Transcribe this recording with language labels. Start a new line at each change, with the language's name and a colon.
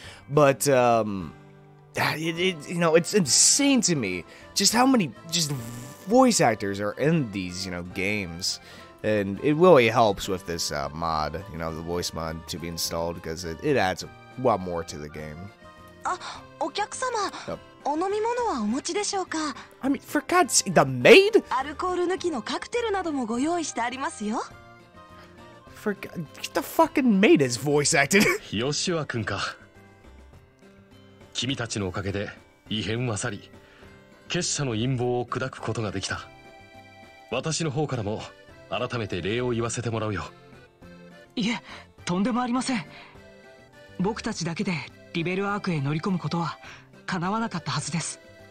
English: But, you know, it's insane to me just how many, just voice actors are in these, you know, games. And it really helps with this mod, you know, the voice mod to be installed, because it adds a lot more to the game.
Japanese: お客様! お飲み物はお持ちでしょうか?
English: I mean, for God's sake, the maid?
Japanese: アルコール抜きのカクテルなどもご用意してありますよ。
English: For God, get the fucking maid is voice acted.
Japanese: ヨシワ君か。君たちのおかげで異変は去り、結社の陰謀を砕くことができた。私の方からも改めて礼を言わせてもらうよ。いえ、とんでもありません。僕たちだけでリベルアークへ乗り込むことは、叶わなかったはずです。